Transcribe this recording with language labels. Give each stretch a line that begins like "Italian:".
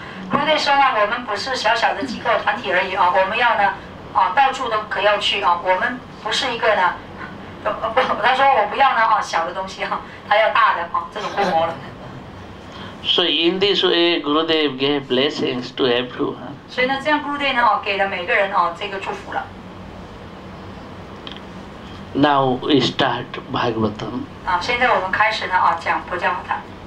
Chinese: 郭队说我们不是小小的几个团体而已我们要呢到处都可要去我们不是一个呢不他说我不要呢小的东西他要大的这种规模了。
English: So in this way, Gurudev gave blessings to everyone.
Chinese: 所以呢这样郭队呢给了每个人这个祝福了。
English: Now we start Bhagavatam.
Chinese: 现在我们开始呢讲博伽瓦唐。